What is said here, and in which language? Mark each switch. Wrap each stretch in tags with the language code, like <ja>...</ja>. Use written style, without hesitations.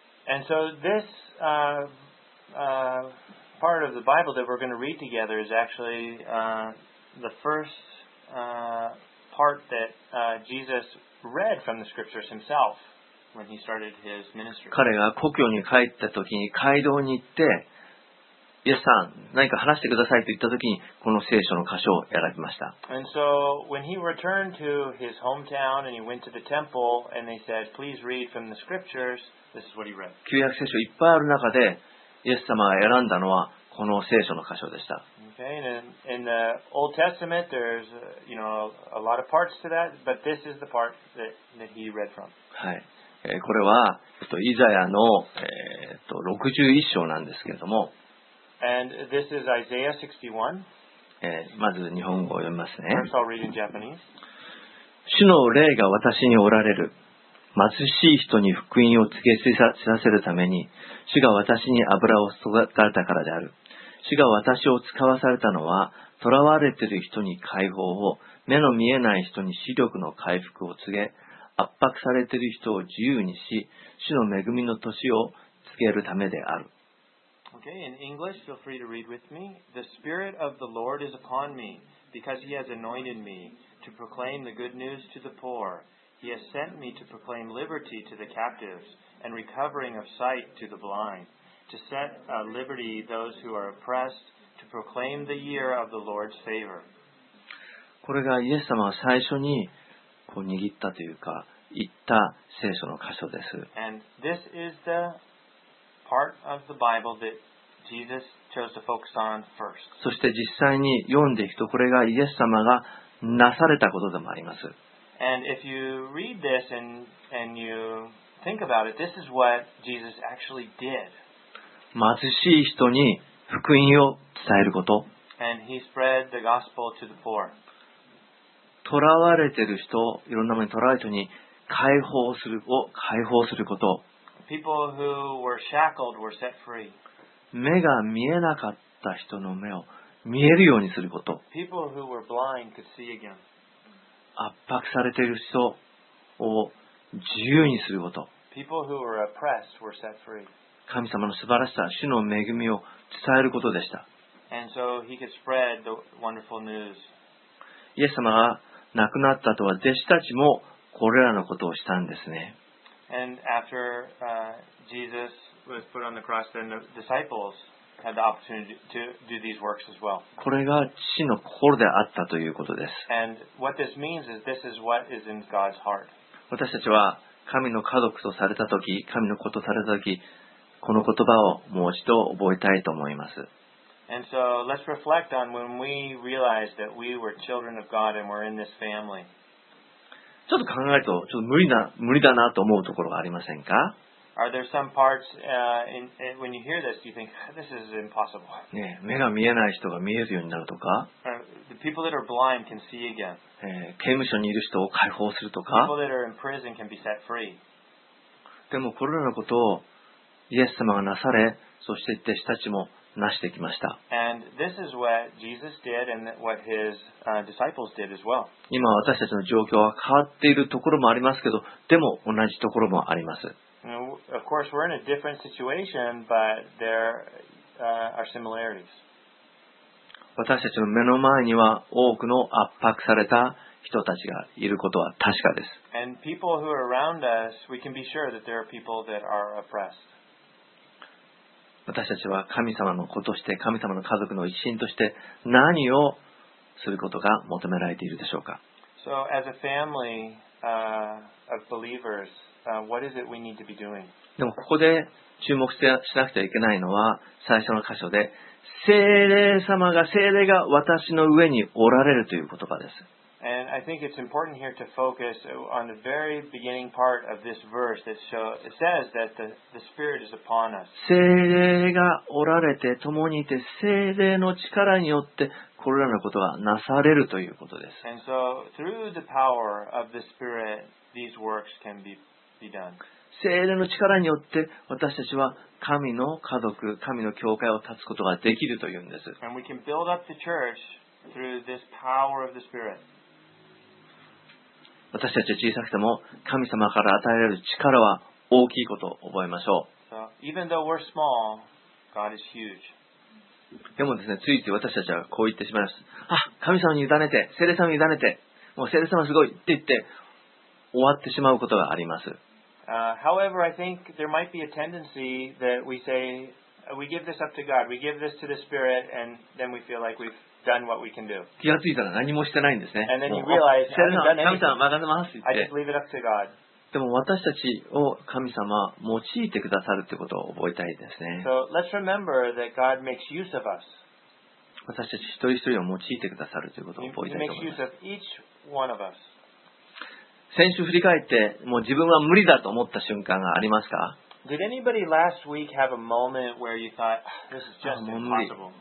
<en>And so this, part of the Bible that we're going to read together is actually the first part that Jesus read from the scriptures himself when he started his ministry.</en> <ja>彼が故郷に帰った時に街道に行って、イエスさん、何か話してくださいと言った時にこの聖書の箇所を選びました。</ja> <en>And so when he returned to his hometown and he went to the temple and they said, please read from the scriptures, this is what he read.</en> <ja>旧約聖書いっぱいある中でイエス様が選んだのはこの聖書の箇所でした。</ja> <en>Okay, in the Old Testament, there's, you know, a lot of parts to that, but this is the part that he read from.</en> <ja>はい。これは、イザヤの、61章なんですけれども。</ja> <en>And this is Isaiah 61.</en> <ja>まず日本語を読みますね。</ja> <en>First, I'll read in Japanese.</en> <ja>主の霊が私におられる。貧しい人に福音を告げ知らせるために、主が私に油を注がれたからである。主が私を使わされたのは、囚われている人に解放を、目の見えない人に視力の回復を告げ、圧迫されている人を自由にし、主の恵みの年を告げるためである。</ja> <en>Okay, in English, feel free to read with me. The Spirit of the Lord is upon me, because He has anointed me to proclaim the good news to the poor. He has sent me to proclaim liberty to the captives and recovering of sight to the blind, to set at liberty those who are oppressed, to proclaim the year of the Lord's favor.</en> <ja>これがイエス様が最初にこう握ったというか言った聖書の箇所です。</ja> <en>And this is the part of the Bible that Jesus chose to focus on first.</en> <ja>そして実際に読んでいくとこれがイエス様がなされたことでもあります。</ja> <en>And if you read this and you think about it, this is what Jesus actually did.</en> <ja>貧しい人に福音を伝えること。</ja> <en>And he spread the gospel to the poor.</en> <ja>囚われてる人、いろんなものに囚われてる人に解放するを解放すること。</ja> <en>People who were shackled were set free.</en> <ja>目が見えなかった人の目を見えるようにすること。</ja> <en>People who were blind could see again.</en> <ja>圧迫されている人を自由にすること。</ja> <en>People who were oppressed were set free.</en> <ja>神様の素晴らしさ、主の恵みを伝えることでした。</ja> <en>And so he could spread the wonderful news.</en> <ja>イエス様が亡くなった後は弟子たちもこれらのことをしたんですね。</ja> <en>And after, Jesus was put on the cross, then the disciples had the opportunity to do these works as well.</en> <ja>これが父の心であったということです。</ja> <en>And what this means is this is what is in God's heart.</en> <ja>私たちは神の家族とされたとき、神の子とされたとき、この言葉をもう一度覚えたいと思います。</ja> <en>And so let's reflect on when we realized that we were children of God and we're in this family.</en> <ja>ちょっと考えると、ちょっと無理だなと思うところがありませんか？</ja> <en>Are there some parts in when you hear this, do you think this is impossible?</en> <ja>ね、目が見えない人が見えるようになるとか。</ja> <en>The people that are blind can see again.</en> <ja>刑務所にいる人を解放するとか。</ja> <en>People that are in prison can be set free.</en> <ja>でもこれらのことをイエス様がなされ、そして弟子たちもなしてきました。</ja> <en>And this is what Jesus did and what his disciples did as well.</en> <ja>今私たちの状況は変わっているところもありますけど、でも同じところもあります。</ja> <en>Of course, we're in a different situation, but there are similarities.</en> <ja>私たちの目の前には多くの圧迫された人たちがいることは確かです。</ja> <en>And people who are around us, we can be sure that there are people that are oppressed.</en> <ja>私たちは神様の子として、神様の家族の一員として、何をすることが求められているでしょうか。</ja> <en>So, as a family of believers,what is it we need to be doing?</en> <ja>でもここで注目しなくてはいけないのは最初の箇所で聖霊様が聖霊が私の上におられるという言葉です。</ja> <en>And I think it's important here to focus on the very beginning part of this verse that says that the Spirit is upon us.</en> <ja>聖霊がおられて共にいて聖霊の力によってこれらのことがなされるということです。</ja> <en>And so through the power of the Spirit, these works can be done.</en> <ja>聖霊の力によって私たちは神の家族、神の教会を立つことができるというんです。</ja> <en>And we can build up the church through this power of the Spirit.</en> <ja>私たちは小さくても神様から与えられる力は大きいことを覚えましょう。</ja> <en>So, even though we're small, God is huge.</en> <ja>でもですね、ついつい私たちはこう言ってしまいます。あ、神様に委ねて、聖霊様に委ねて、もう聖霊様すごいって言って、終わってしまうことがあります。</ja> <en>However, I think there might be a tendency that we say, we give this up to God, we give this to the Spirit, and then we feel like we've done what we can do.</en> <ja>気がついたら何もしてないんですね。</ja> <en>And then you realize, I've done anything.</en> <ja>神様任せますって言って。</ja> <en>I just leave it up to God.</en> <ja>でも私たちを神様用いてくださるってことを覚えたいですね。</ja> <en>So let's remember that God makes use of us.</en> <ja>私たち一人一人を用いてくださるということを覚えたいと思います。</ja> <en>He makes use of each one of us.</en> <ja>先週振り返ってもう自分は無理だと思った瞬間がありますか？</ja> <en>Did anybody last week have a moment where you thought this is just impossible?</en>